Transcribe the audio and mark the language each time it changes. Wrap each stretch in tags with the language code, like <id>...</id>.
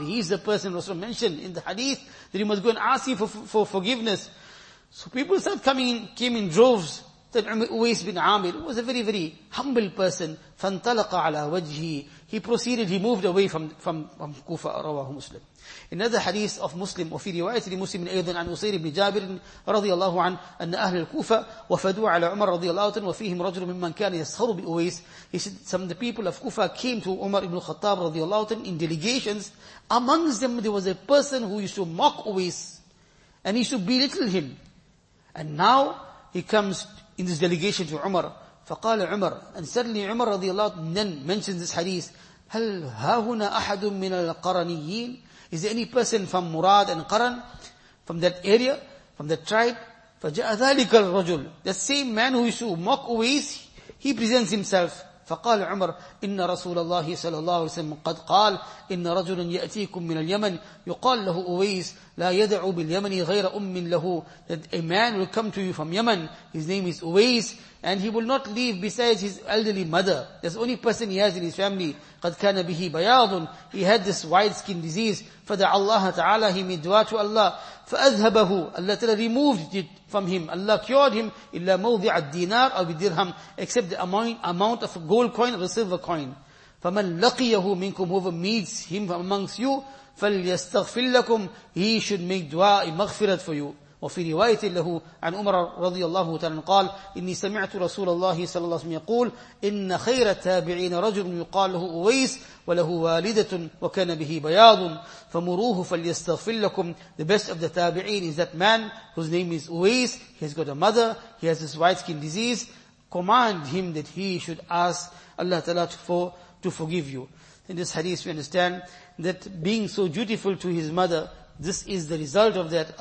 <en>He is the person Rasulullah mentioned in the hadith that you must go and ask him for forgiveness. So people started coming in, came in droves. Then Uwais bin Amir was a very, very humble person.</en> <ar>فانطلق على وجهه.</ar> <en>He proceeded, he moved away from Kufa.</en> <ar>رواه مسلم.</ar> <en>In another hadith of Muslim,</en> <ar>وفي رواية لمسلم أيضا عن أسير بن جابر رضي الله عنه أن أهل الكوفة وفدوا على عمر رضي الله عنه وفيهم رجل ممن كان يسخر بأويس.</ar> <en>He said some of the people of Kufa came to Umar ibn al-Khattab رضي الله عنه in delegations. Amongst them there was a person who used to mock Uwais and he used to belittle him. And now he comes in this delegation to Umar.</en> <ar>فقال عمر,</ar> <en>and suddenly Umar رضي الله عنه then mentions this hadith.</en> <ar>هل ها هنا أحد من القرنيين?</ar> <en>Is there any person from Murad and Qaran, from that area, from that tribe?</en> <ar>فَجَأَ ذَلِكَ الرَّجُلُ.</ar> <en>The same man who used to mock Uwais, he presents himself.</en> <ar>فَقَالَ عُمَرَ إِنَّ رَسُولَ اللَّهِ صَلَى اللَّهُ عَلَيْهِ وَسَلَّمَ قَدْ قَالَ إِنَّ رَجُلًا يَأْتِيكُمْ مِنَ الْيَمَنِ يُقَالْ لَهُ أُوَيْسِ لَا يَدَعُوا بِالْيَمَنِ غَيْرَ أُمٍّ لَهُ.</ar> <en>That a man will come to you from Yemen, his name is Uwais, and he will not leave besides his elderly mother. That's the only person he has in his family.</en> <ar>قَدْ كَانَ بِهِ بَيَاضٌ.</ar> <en>He had this white skin disease.</en> <ar>فَدَعَ اللَّهَ تَعَالَى,</ar> <en>he made dua to Allah.</en> <ar>فَأَذْهَبَهُ.</ar> <en>Allah Ta'ala removed it from him. Allah cured him.</en> <ar>إِلَّا مَوْضِعَ الدِّينَارِ أَوْ بِدِرْهَمْ.</ar> <en>Except the amount of a gold coin or a silver coin.</en> <ar>فَمَنْ لَقِيَهُ مِنْكُمْ,</ar> <en>whoever meets him from amongst you,</en> <ar>فَلْيَسْتَغْفِرْ لَكُمْ,</ar> <en>he should make dua, a maghfirat for you.</en> <ar>وفي رواية له عن عمر رضي الله تعالى قال إني سمعت رسول الله صلى الله عليه وسلم يقول إن خير التابعين رجل يقال له أويس وله والدة وكان به بياض فمروه فليستغفر لكم.</ar> <en>The best of the tabi'in is that man whose name is Uwais. He has got a mother, he has this white skin disease. command him that he should ask Allah Ta'ala to forgive you. In this hadith we understand that being so dutiful to his mother, this is the result of that.</en>